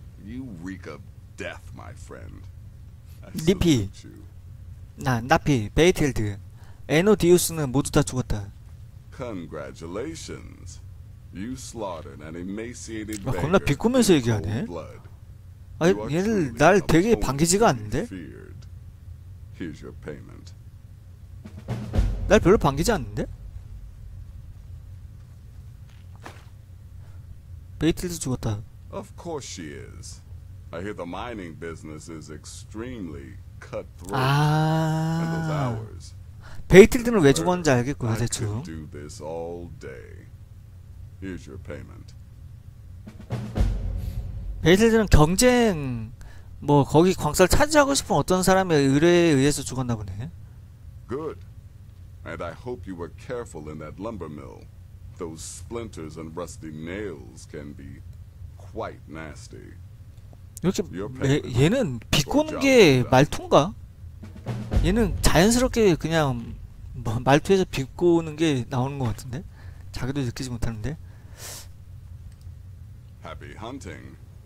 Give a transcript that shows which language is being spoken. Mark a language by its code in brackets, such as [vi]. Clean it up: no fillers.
[en] You reek of death, my friend. 니피. 나 나피 베이틀드. [ko] 에노디우스는 모두 다 죽었다. [en] Congratulations. You slaughtered an emaciated beggar. [ko] 겁나 비꼬면서 얘기하네. 아니 얘들 날 되게 반기지가 않는데. [en] Here's your payment. [ko] 날 별로 반기지 않는데. 베이틀드 죽었다. [en] Of course she is. I hear the mining business is extremely cutthroat. [ko] 아. 베이틀드는 왜 죽었는지 알겠고요, 대충. [en] Do this all day. Here's your payment. [ko] 베이틀드는 경쟁 뭐 거기 광산을 차지하고 싶은 어떤 사람의 의뢰에 의해서 죽었나 보네. [en] Good. And I hope you were careful in that lumber mill. Those splinters and rusty nails can be quite nasty. [ko] 이렇게 얘는 비꼬는 게 말투인가? 얘는 자연스럽게 그냥 뭐 말투에서 비꼬는 게 나오는 것 같은데, 자기도 느끼지 못하는데. [en] Happy hunting.